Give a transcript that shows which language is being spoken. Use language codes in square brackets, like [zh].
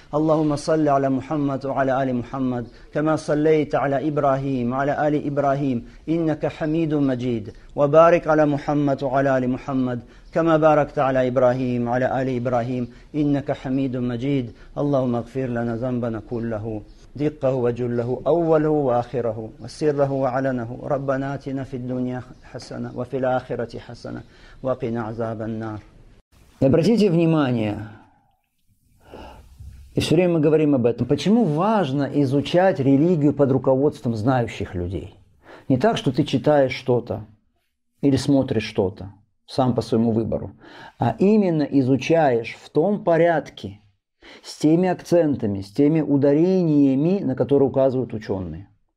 [ar] Аллахумма салли аля Мухаммад ва аля али Мухаммад, кама саллейта аля Ибрахим ва аля али Ибрахим, иннака хамиду маджид, ва барик аля Мухаммад ва аля али Мухаммад, кама баракта аля Ибрахим ва аля али Ибрахим, иннака хамиду маджид. Аллахумма агфир лана занбана куллаху. دقه وجله أوله وآخره وسره وعلنه ربنا آتنا في الدنيا حسنة وفي الآخرة حسنة وقنا عذاب النار. [ru] И обратите внимание, и все время мы говорим об этом, почему важно изучать религию под руководством знающих людей. Не так, что ты читаешь что-то или смотришь что-то сам по своему выбору, а именно изучаешь в том порядке, с теми акцентами, с теми ударениями, на которые указывают ученые.